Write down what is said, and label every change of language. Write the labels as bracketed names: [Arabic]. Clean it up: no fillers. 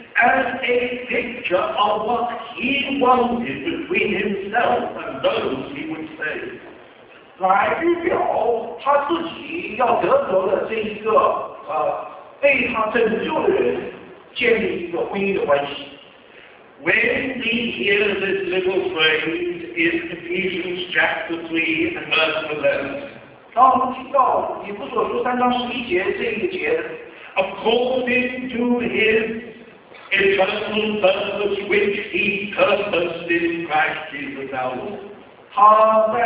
[English] as a picture of what he wanted between himself and those he would save. [Chinese] 来预表他自己要得着的这一个被他拯救的人建立一个婚姻的关系。 [English] When we hear this little phrase in Ephesians chapter 3 and verse 11, according to his eternal purpose which he purposed in Christ Jesus our Lord.